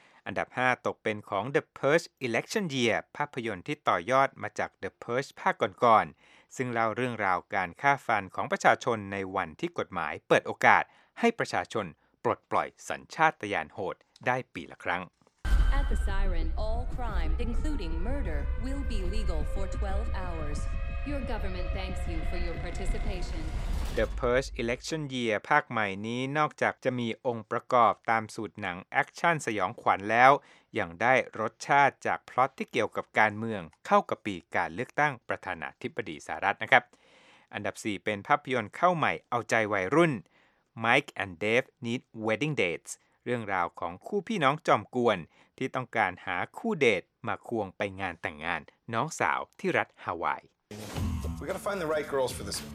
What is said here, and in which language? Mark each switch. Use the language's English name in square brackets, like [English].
[Thai] อันดับ5ตกเป็นของ The Purge Election Year ภาพยนตร์ที่ต่อยอดมาจาก The Purge ภาคก่อนซึ่งเล่าเรื่องราวการฆ่าฟันของประชาชนในวันที่กฎหมายเปิดโอกาสให้ประชาชนปลดปล่อยสัญชาตญาณโหดได้ปีละครั้ง [English] At the siren, all crime, including murder, will be legal for 12 hours. Your government thanks you for your participation. [Thai] The Purge Election Year ภาคใหม่นี้นอกจากจะมีองค์ประกอบตามสูตรหนังแอคชั่นสยองขวัญแล้วยังได้รสชาติจากพล็อตที่เกี่ยวกับการเมืองเข้ากับปีการเลือกตั้งประธานาธิบดีสหรัฐนะครับอันดับ4เป็นภาพยนตร์เข้าใหม่เอาใจวัยรุ่น Mike and Dave Need Wedding Dates เรื่องราวของคู่พี่น้องจอมกวนที่ต้องการหาคู่เดทมาควงไปงานแต่งงานน้องสาวที่รัฐฮาวาย [English] We got to find the right girls for this.